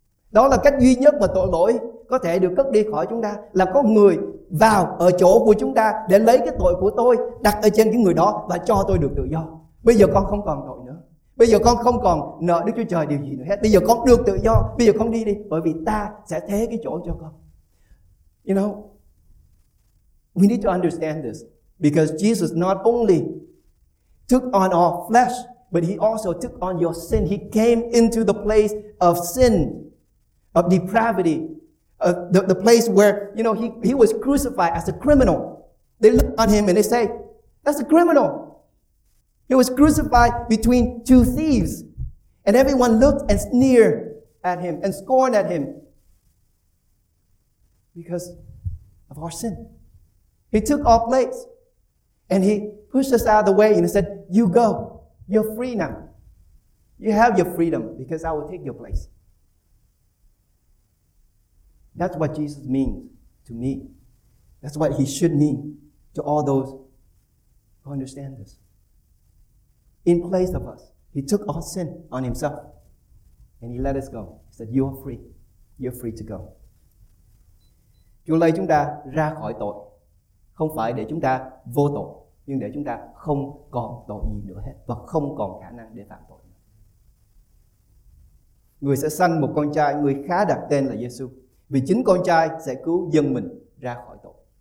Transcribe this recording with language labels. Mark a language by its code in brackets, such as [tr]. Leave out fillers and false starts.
[vi] Đó là cách duy nhất mà tội lỗi có thể được cất đi khỏi chúng ta, là có người vào ở chỗ của chúng ta để lấy cái tội của tôi đặt ở trên cái người đó và cho tôi được tự do. Bây giờ con không còn tội nữa. Bây giờ con không còn nợ Đức Chúa Trời điều gì nữa hết. Bây giờ con được tự do. Bây giờ con đi đi, bởi vì ta sẽ thế cái chỗ cho con. [en] You know, we need to understand this, because Jesus not only took on our flesh, but he also took on your sin. He came into the place of sin of depravity, the place where, you know, he was crucified as a criminal. They look on him and they say, that's a criminal. He was crucified between two thieves. And everyone looked and sneered at him and scorned at him because of our sin. He took our place and he pushed us out of the way and he said, you go, you're free now. You have your freedom because I will take your place. That's what Jesus means to me. That's what he should mean to all those who understand this. In place of us, he took our sin on himself and he let us go. He said, you are free. You're free to go. [vi] Chúa lấy chúng ta ra khỏi tội. Không phải để chúng ta vô tội, nhưng để chúng ta không còn tội gì nữa hết và không còn khả năng để phạm tội. Người sẽ sanh một con trai, người khá đặt tên là Jêsus, vì chính con trai sẽ cứu dân mình ra khỏi tội.